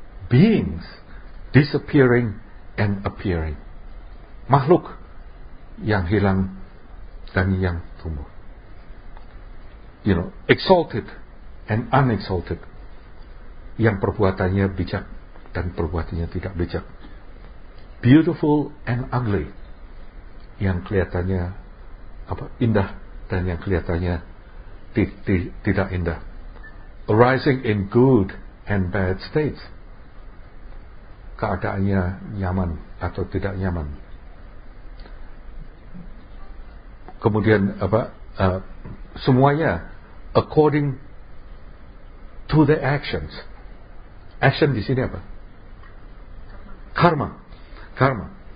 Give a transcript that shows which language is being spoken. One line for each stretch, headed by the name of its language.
English: Beings disappearing and appearing.
Indonesian: Makhluk yang hilang dan yang tumbuh.
English: You know, exalted and unexalted.
Indonesian: Yang perbuatannya bijak dan perbuatannya tidak bijak.
English: Beautiful and ugly.
Indonesian: Yang kelihatannya apa, indah dan yang kelihatannya tidak indah.
English: Arising in good and bad states.
Indonesian: Keadaannya nyaman atau tidak nyaman. Kemudian apa, semuanya
English: according to the actions.
Indonesian: Action di sini apa? Karma. Karma.